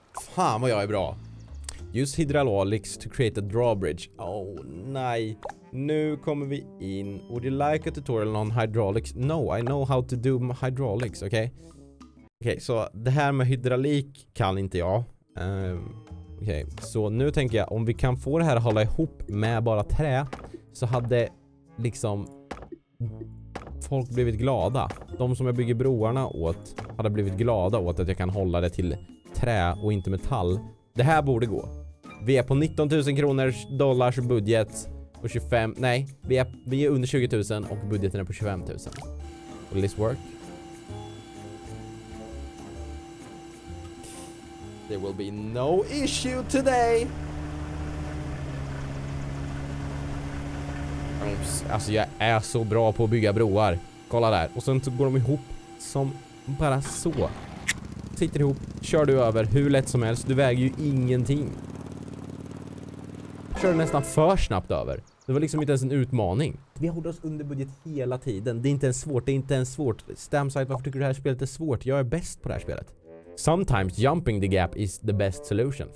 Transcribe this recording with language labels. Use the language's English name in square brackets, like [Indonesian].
[Swedish] Fan vad jag är bra. [English] Use hydraulics to create a drawbridge. [Swedish] Oh, nej. Nu kommer vi in. [English] Would you like a tutorial on hydraulics? No, I know how to do hydraulics, okay? [Swedish] Okej, så det här med hydraulik kan inte jag. Okej, så nu tänker jag, om vi kan få det här att hålla ihop med bara trä, så hade liksom folk blivit glada. De som jag bygger broarna åt hade blivit glada åt att jag kan hålla det till trä och inte metall. Det här borde gå. Vi är på 19 000 kronor dollars budget och 25. Nej, vi är under 20 000 och budgeten är på 25 000. [English] Will this work? There will be no issue today. [Swedish] Alltså jag är så bra på att bygga broar. Kolla där. Och sen så går de ihop som bara så. Sitter ihop, kör du över hur lätt som helst. Du väger ju ingenting. Kör du nästan för snabbt över. Det var liksom inte ens en utmaning. Vi håller oss under budget hela tiden. Det är inte ens svårt, det är inte ens svårt. Stamside, varför tycker du det här spelet är svårt? Jag är bäst på det här spelet. [English] Sometimes jumping the gap is the best solution.